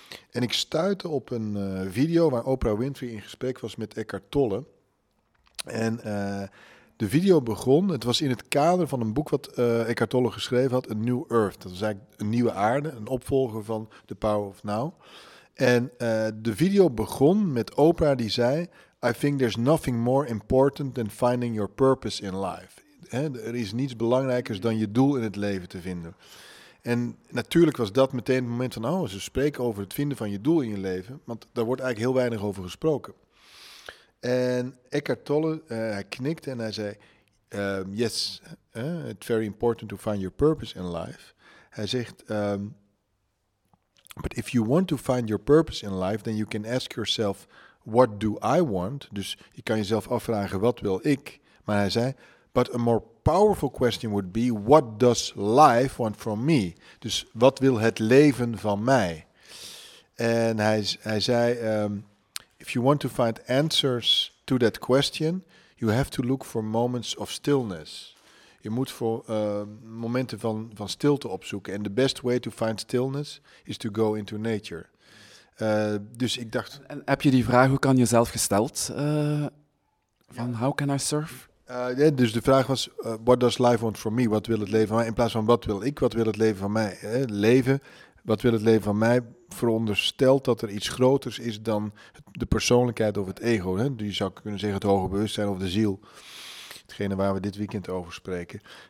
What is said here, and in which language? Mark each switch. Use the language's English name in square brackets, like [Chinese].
[Dutch] En ik stuitte op een video waar Oprah Winfrey in gesprek was met Eckhart Tolle. En de video begon, het was in het kader van een boek wat Eckhart Tolle geschreven had, A New Earth. Dat is eigenlijk een nieuwe aarde, een opvolger van The Power of Now. En de video begon met Oprah die zei, [English] I think there's nothing more important than finding your purpose in life. [Dutch] He, er is niets belangrijkers dan je doel in het leven te vinden. En natuurlijk was dat meteen het moment van, oh, ze spreken over het vinden van je doel in je leven. Want daar wordt eigenlijk heel weinig over gesproken. En Eckhart Tolle, hij knikte en hij zei, [English] yes, it's very important to find your purpose in life. [Dutch] Hij zegt, [English] But if you want to find your purpose in life, then you can ask yourself, what do I want? [Dutch] Dus je kan jezelf afvragen, wat wil ik? Maar hij zei, [English] but a more powerful question would be, what does life want from me? [Dutch] Dus wat wil het leven van mij? En hij zei, [English] if you want to find answers to that question, you have to look for moments of stillness. [Dutch] Je moet voor momenten van stilte opzoeken. [English] And the best way to find stillness is to go into nature. [Dutch] Dus ik dacht... En heb je die vraag ook aan jezelf gesteld? Van [English] how can I surf? [Dutch] Dus de vraag was, [English] what does life want from me? [Dutch] Wat wil het leven van mij? In plaats van wat wil het leven van mij? Leven, wat wil het leven van mij? Veronderstelt dat er iets groters is dan de persoonlijkheid of het ego. Hè? Je zou kunnen zeggen het hoge bewustzijn of de ziel. Hetgene waar we dit weekend over spreken.